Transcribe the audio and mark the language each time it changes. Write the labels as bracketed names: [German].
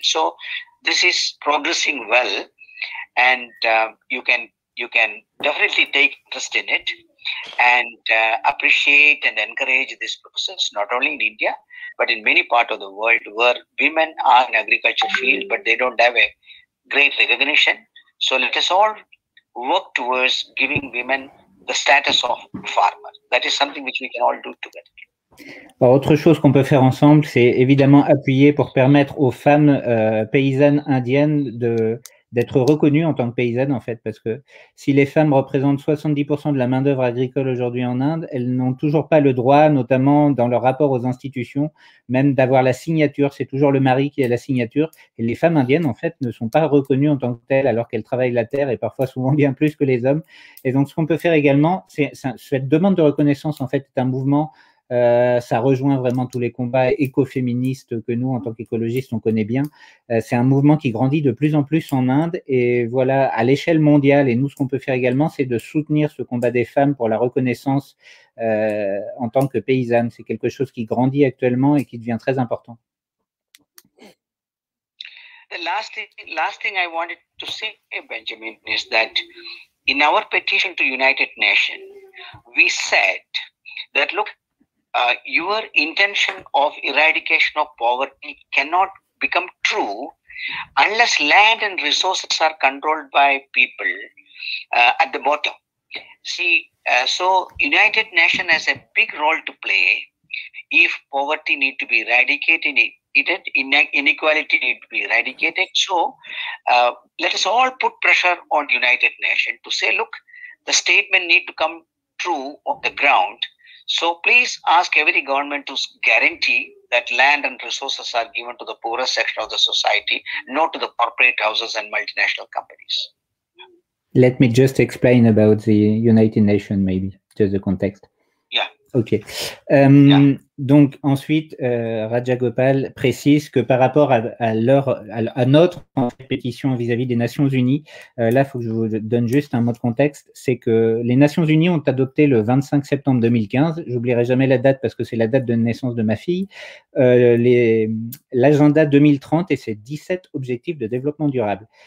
[English] So this is progressing well, and you can definitely take interest in it and appreciate and encourage this process, not only in India but in many parts of the world where women are in agriculture field but they don't have a great recognition. So let us all work towards giving women the status of farmer. That is something which we can all do together. [French] Alors, autre chose qu'on peut faire ensemble, c'est évidemment appuyer pour permettre aux femmes paysannes indiennes d'être reconnues en tant que paysannes, en fait, parce que si les femmes représentent 70% de la main-d'œuvre agricole aujourd'hui en Inde, elles n'ont toujours pas le droit, notamment dans leur rapport aux institutions, même d'avoir la signature. C'est toujours le mari qui a la signature. Et les femmes indiennes, en fait, ne sont pas reconnues en tant que telles, alors qu'elles travaillent la terre et parfois souvent bien plus que les hommes. Et donc, ce qu'on peut faire également, c'est cette demande de reconnaissance, en fait, est un mouvement. Ça rejoint vraiment tous les combats écoféministes que nous, en tant qu'écologistes, on connaît bien. C'est un mouvement qui grandit de plus en plus en Inde et voilà, à l'échelle mondiale. Et nous, ce qu'on peut faire également, c'est de soutenir ce combat des femmes pour la reconnaissance en tant que paysanne. C'est quelque chose qui grandit actuellement et qui devient très important. [English] The last thing I wanted to say, Benjamin, is that in our petition to United Nations, we said that look. Your intention of eradication of poverty cannot become true unless land and resources are controlled by people at the bottom. See, so United Nations has a big role to play if poverty need to be eradicated, inequality need to be eradicated. So let us all put pressure on United Nations to say, look, the statement need to come true on the ground. So please ask every government to guarantee that land and resources are given to the poorest section of the society, not to the corporate houses and multinational companies. Let me just explain about the United Nations, maybe, just the context. Yeah. Okay. [French] Donc ensuite, Rajagopal précise que par rapport à notre pétition vis-à-vis des Nations Unies, là, il faut que je vous donne juste un mot de contexte, c'est que les Nations Unies ont adopté le 25 septembre 2015, j'oublierai jamais la date parce que c'est la date de naissance de ma fille, l'agenda 2030 et ses 17 objectifs de développement durable.